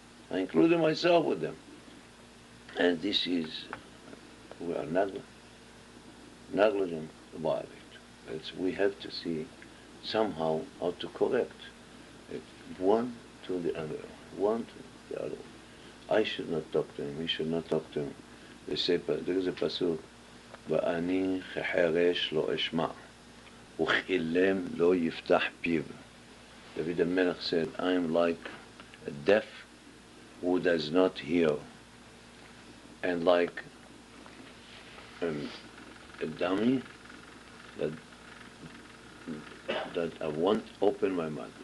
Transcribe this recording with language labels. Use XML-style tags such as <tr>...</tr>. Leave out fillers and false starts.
<en>I included myself with them. And this is, we are negligent about it. It's, we have to see somehow how to correct it. One to the other, one to the other. I should not talk to him, he should not talk to him. They say, there is a pasuk,</en> <he>ואני חרש לא אשמע, וחילם לא יפתח פיו.</he> <en>David the Melech said, I am like a deaf who does not hear, and like a dummy that I won't open my mouth.</en>